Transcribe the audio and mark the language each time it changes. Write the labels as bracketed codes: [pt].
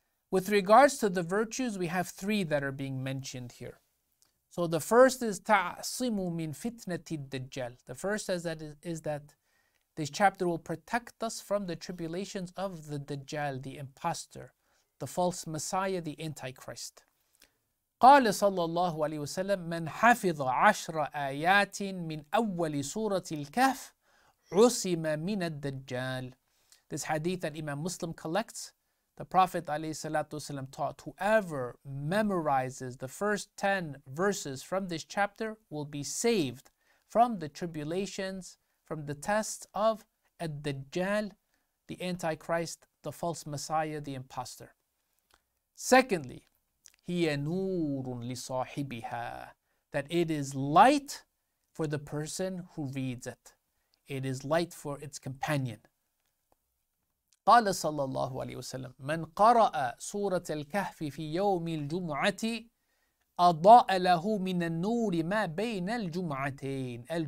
[en] With regards to the virtues, we have three that are being mentioned here. So the first is [ar] ta'asimu min fitnati dajjal. [en] The first says that is that this chapter will protect us from the tribulations of the dajjal, the imposter, the false messiah, the antichrist. [ar] قال صلى الله عليه وسلم من حفظ عشر آيات من أول سورة الكهف عصم من الدجال. [en] This hadith that Imam Muslim collects, the Prophet ﷺ taught, whoever memorizes the first 10 verses from this chapter will be saved from the tribulations, from the tests of Ad-Dajjal, the Antichrist, the false Messiah, the imposter. Secondly, [ar] هي نور لصاحبها, [en] that it is light for the person who reads it. It is light for its companion. [ar] قال صلى الله عليه وسلم من قرأ سورة الكهف في يوم الجمعة أضاء له من النور ما بين الجمعتين.